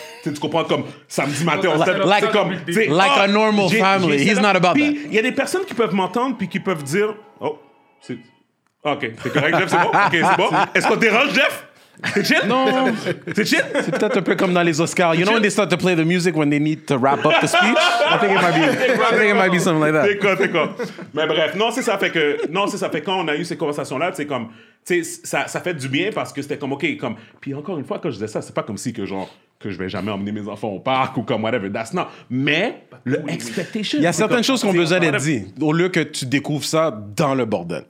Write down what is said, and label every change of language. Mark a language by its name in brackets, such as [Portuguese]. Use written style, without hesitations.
[French] Tu comprends, comme samedi matin, on s'est [English] like, [French] comme... [English] Like a normal family, he's not about [French] puis, [English] that. [French] Il y a des personnes qui peuvent m'entendre puis qui peuvent dire, oh, c'est... OK, c'est correct, Jeff, c'est bon? OK, c'est bon. Est-ce qu'on dérange, Jeff? C'est chill? Non. C'est chill? C'est peut-être un peu comme dans les Oscars. [English] You know when they start to play the music when they need to wrap up the speech? I think it might be something like that. [French] T'es quoi? Mais bref, non, c'est ça fait quand on a eu ces conversations-là, c'est comme, tu sais, ça fait du bien parce que c'était comme, OK, comme... Puis encore une fois, quand je disais ça, c'est pas comme si que genre... que je vais jamais emmener mes enfants au parc ou comme [English] whatever, that's not. [French] Mais le expectation... Il y a certaines choses qu'on besoin d'être dit au lieu que tu découvres ça dans le bordel.